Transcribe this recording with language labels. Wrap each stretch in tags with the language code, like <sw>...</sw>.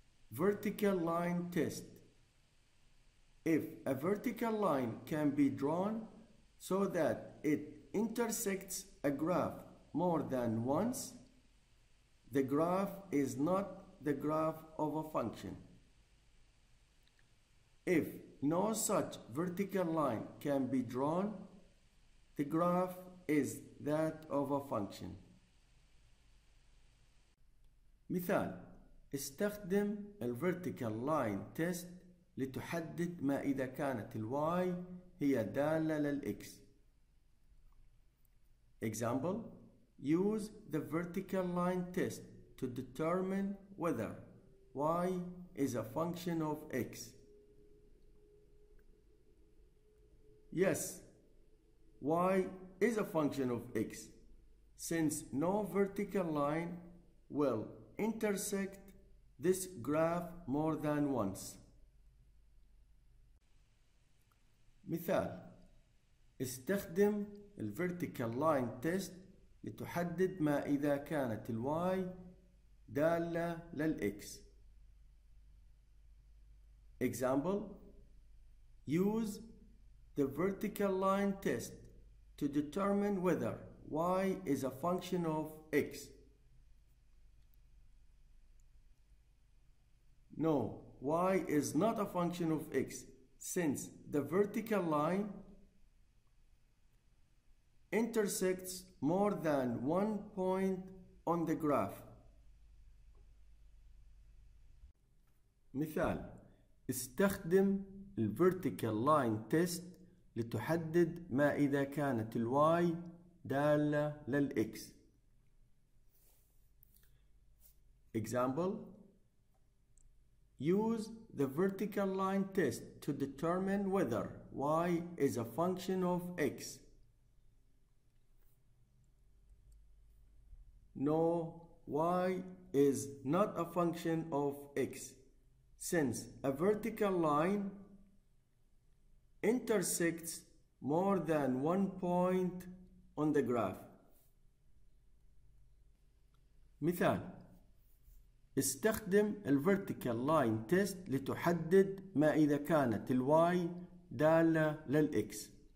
<en>Vertical line test. If a vertical line can be drawn so that it intersects a graph more than once, the graph is not the graph of a function. If no such vertical line can be drawn, the graph is that of a function.</en> <ar>مثال: استخدم ال vertical line test لتحدد ما إذا كانت ال y هي دالة لل x.</ar> <en>Example: use the vertical line test to determine whether y is a function of x. Yes, y is a function of x, since no vertical line will intersect this graph more than once.</en> <ar>مثال: استخدم ال vertical line test لتحدد ما إذا كانت ال y دالة لل x.</ar> <en>Example: use the vertical line test to determine whether y is a function of x. No, y is not a function of x, since the vertical line intersects more than one point on the graph.</en> <ar>مثال: استخدم ال vertical line test لتحدد ما إذا كانت ال y دالة لل x.</ar> <en>Example: use the vertical line test to determine whether y is a function of x. No, y is not a function of x, since a vertical line intersects more than one point on the graph.</en> <ar>مثال: استخدم ال vertical line test لتحدد ما إذا كانت ال y دالة لل x.</ar>